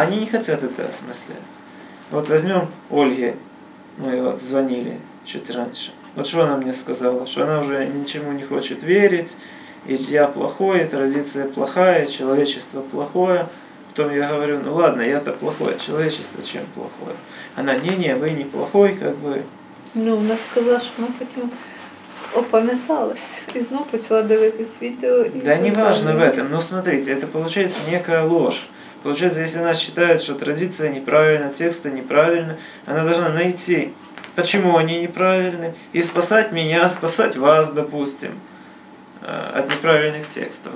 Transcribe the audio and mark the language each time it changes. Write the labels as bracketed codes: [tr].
[ru] Они не хотят это осмыслять. Вот возьмем Ольге, мы вот звонили чуть раньше. Вот что она мне сказала, что она уже ничему не хочет верить, и я плохой, и традиция плохая, и человечество плохое. Потом я говорю, ну ладно, я-то плохой, а человечество чем плохое? Она, не-не, вы не плохой, как бы. [uk] Ну, вона сказала, що вона потім опам'яталась і знову почала дивитись відео. [ru] Да не важно в этом, но смотрите, это получается некая ложь. Получается, если она считает, что традиция неправильна, тексты неправильны, она должна найти, почему они неправильны, и спасать меня, спасать вас, допустим, от неправильных текстов.